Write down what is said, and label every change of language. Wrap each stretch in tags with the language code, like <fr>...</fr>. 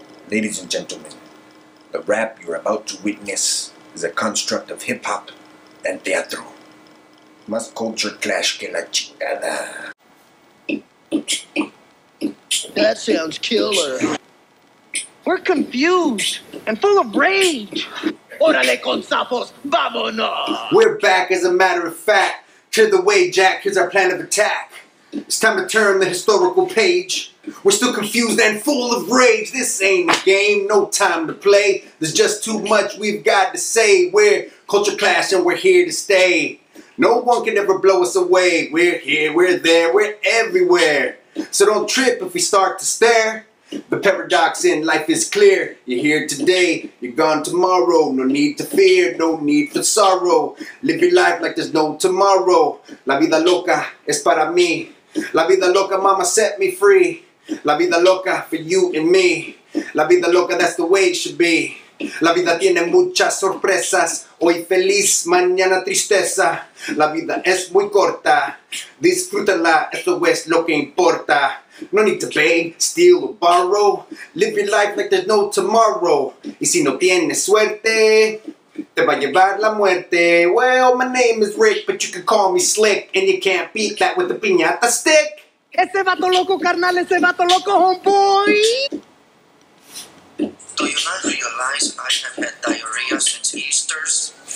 <en>Ladies and gentlemen, the rap you're about to witness is a construct of hip-hop and teatro.</en> <es>Más culture clash que la chingada.</es> <en>That sounds killer. We're confused and full of rage.</en> <es>Órale con sapos, vámonos!</es> <en>We're back, as a matter of fact. Clear the way, Jack, here's our plan of attack. It's time to turn the historical page. We're still confused and full of rage. This ain't a game, no time to play. There's just too much we've got to say. We're culture clash and we're here to stay. No one can ever blow us away. We're here, we're there, we're everywhere. So don't trip if we start to stare. The paradox in life is clear. You're here today, you're gone tomorrow. No need to fear, no need for sorrow. Live your life like there's no tomorrow.</en> <es>La vida loca es para mí. La vida loca, mama,</es> <en>set me free.</en> <es>La vida loca</es> <en>for you and me. La vida loca, that's the way it should be.</en> <es>La vida tiene muchas sorpresas. Hoy feliz, mañana tristeza. La vida es muy corta. Disfrútala, esto es lo que importa.</es> <en>No need to beg, steal, or borrow. Live your life like there's no tomorrow.</en> <es>Y si no tienes suerte, te va a llevar la muerte.</es> <en>Well, my name is Rick, but you can call me Slick. And you can't beat that with a piñata stick.</en> <es>Ese vato loco, carnal, ese vato loco, homeboy.</es> <en>Do you not realize I have had diarrhea since Easter's?</en>